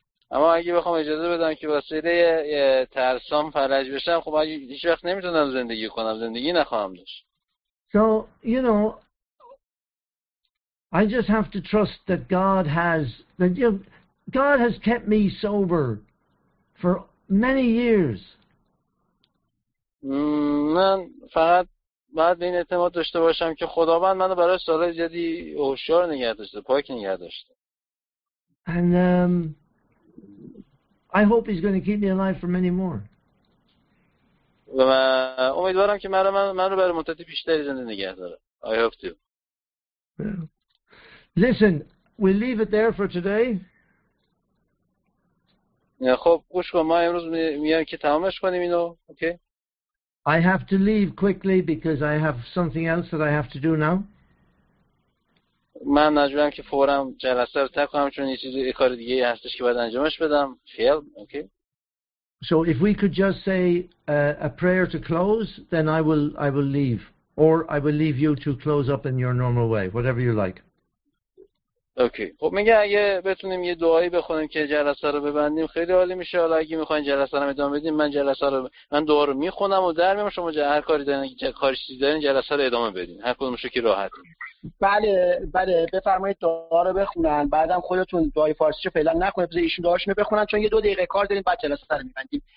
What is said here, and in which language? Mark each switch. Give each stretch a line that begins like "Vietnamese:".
Persian: اما اگه بخوام اجازه بدم که وسیله ترسام فلج بشم، خب هیچ وقت نمیتونم زندگی کنم، زندگی نخواهم داشت.
English: So, you know, I just have to trust that God has that you know, God has kept me sober for many years.
Persian: من فقط باید این اعتماد داشته باشم که خداوند منو برای سالهای زیادی هوشیار نگه داشته، پاک نگه داشته.
English: And I hope he's going to keep me alive for many more.
Persian: و امیدوارم که منو برای مدت بیشتری زنده نگه داره.
English: I hope to. Listen, we'll leave it there for today.
Persian: خب گوش کن ما امروز میام که تمامش کنیم اینو.
English: Okay. I have to leave quickly because I have something else that I have to do now.
Persian: من مجبورم که فوراً جلسه رو ترک کنم چون یه چیز کار دیگه ای هستش که باید انجامش بدم. خیال.
English: Okay. So if we could just say a prayer to close, then I will leave, or I will leave you to close up in your normal way, whatever you like. Okay.
Persian: خب میگه اگه بتونیم یه دعایی بخونیم که جلسه رو ببندیم خیلی عالی میشه. حالا اگه میخواین جلسه رو ادامه بدیم من جلسه رو من دعا رو میخونم و در میام شما هر کاری دارین جلسه رو ادامه بدین. هر کدومشو که راحت. بله بفرمایید دعا رو بخونن بعدم خودتون دعای فارسی رو فعلا نکنید بذار ایشون دعاشونو بخونن چون یه دو دقیقه کار دارین بعد جلسه رو میبندیم.